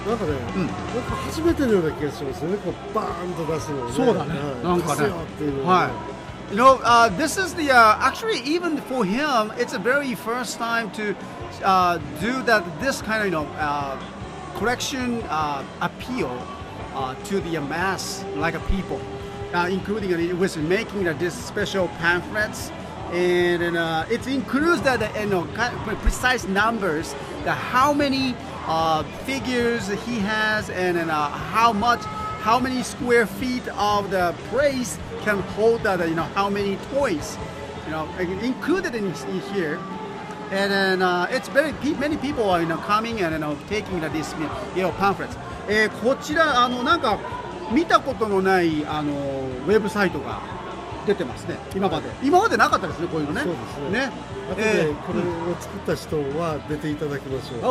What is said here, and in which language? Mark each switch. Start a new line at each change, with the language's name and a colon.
Japanese: なんかね、うん、なんか初めてのような気がしますね。こうバーンと出すのね。そうだね。なんかね。はい。
English: You know, this is the actually even for him, it's a very first time to do that this kind of you know collection appeal to the mass like a people, including with making this special pamphlets. And, and it includes that, you know, precise numbers, that how many figures he has, and how many square feet of the place can hold that, you know, how many toys, you know, included in here. And then it's very, many people are, you know, coming and, you know, taking this, you know, pamphlets.
Japanese: こちら、なんか見たことのない、ウェブサイトが、出てますね。今までなかったですね、こういうのね。そうですね。ね、これを作った人は出ていただきましょう。